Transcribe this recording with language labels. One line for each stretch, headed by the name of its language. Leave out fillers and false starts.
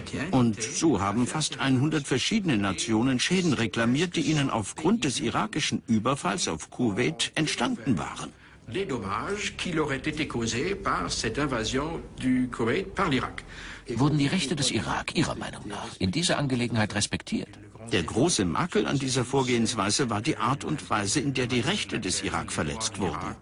German: Und so haben fast 100 verschiedene Nationen Schäden reklamiert, die ihnen aufgrund des irakischen Überfalls auf Kuwait entstanden waren.
French: Les dommages qui leur ont été causés par cette invasion du Koweït par l'Irak.
German: Wurden die Rechte des Irak Ihrer Meinung nach in dieser Angelegenheit respektiert? Der große Makel an dieser Vorgehensweise war die Art und Weise, in der die Rechte des Irak verletzt wurden.